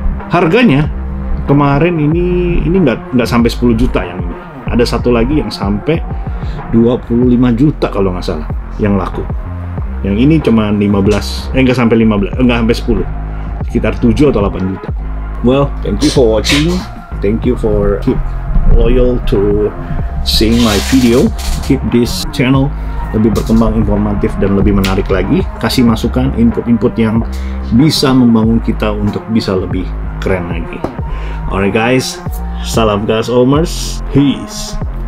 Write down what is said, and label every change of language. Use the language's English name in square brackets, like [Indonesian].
[Indonesian] Harganya kemarin ini nggak sampai 10 juta yang ini. Ada satu lagi yang sampai 25 juta kalau nggak salah yang laku. Yang ini cuma 15, nggak sampai 15, nggak sampai 10. Sekitar 7 atau 8 juta. [English] Well, thank you for watching. Thank you for keep loyal to seeing my video. Keep this channel [Indonesian] lebih berkembang, informatif, dan lebih menarik lagi. Kasih masukan, input-input yang bisa membangun kita untuk bisa lebih keren lagi. [English] Alright guys, [Indonesian] salam Gas Owners. Peace.